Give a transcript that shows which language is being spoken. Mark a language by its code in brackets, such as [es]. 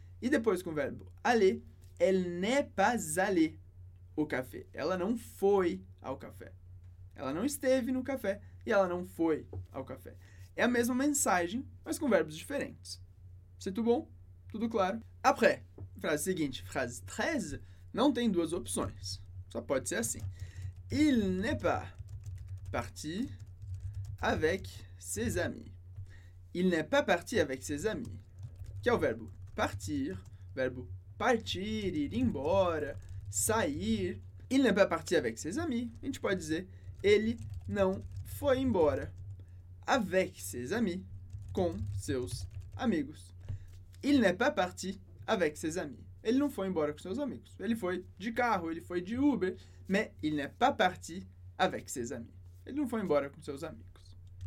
[pt] E depois com o verbo aller, [fr] elle n'est pas allée au café. [pt] Ela não foi ao café. Ela não esteve no café e ela não foi ao café. É a mesma mensagem, mas com verbos diferentes. [fr] C'est tout bon? [pt] Tudo claro? Après, frase seguinte, frase 13, não tem duas opções. Só pode ser assim. [fr] Il n'est pas parti avec ses amis. Il n'est pas parti avec ses amis. [pt] Que é o verbo partir, verbo partir, ir embora, sair. [fr] Il n'est pas parti avec ses amis. [pt] A gente pode dizer, ele não foi embora. [fr] Avec ses amis, [pt] com seus amigos. [fr] Il n'est pas parti avec ses amis. [pt] Ele não foi embora com seus amigos. Ele foi de carro, ele foi de Uber, [fr] mais il n'est pas parti avec ses amis. [pt] Ele não foi embora com seus amigos.